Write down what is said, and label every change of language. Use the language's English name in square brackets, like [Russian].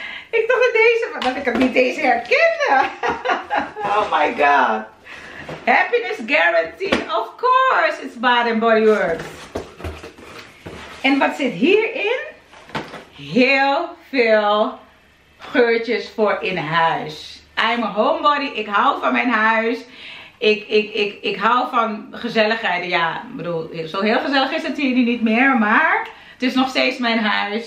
[Dutch] Ik dacht dat deze, dat ik het niet deze herkende. [English] Oh my god! Happiness guaranteed, of course it's Bath & Body Works. [Dutch] En wat zit hierin? Heel veel geurtjes voor in huis. [English] I'm a homebody. [Dutch] Ik hou van mijn huis. Ik hou van gezelligheid. Ja, ik bedoel, zo heel gezellig is het hier nu niet meer. Maar het is nog steeds mijn huis.